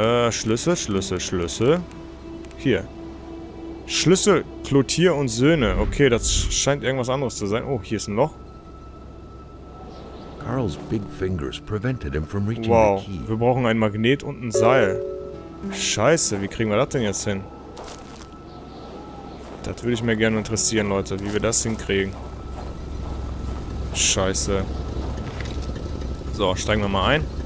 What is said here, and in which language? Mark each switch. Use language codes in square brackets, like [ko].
[de] Schlüssel, Schlüssel, Schlüssel. Hier. Schlüssel, Klotier und Söhne. Okay, das scheint irgendwas anderes zu sein. Oh, hier ist ein Loch. [en] Carl's big fingers prevented him from reaching the key. [de] Wow, wir brauchen ein Magnet und ein Seil. Scheiße, wie kriegen wir das denn jetzt hin? Das würde ich mir gerne interessieren, Leute, wie wir das hinkriegen. Scheiße. So, steigen wir mal ein.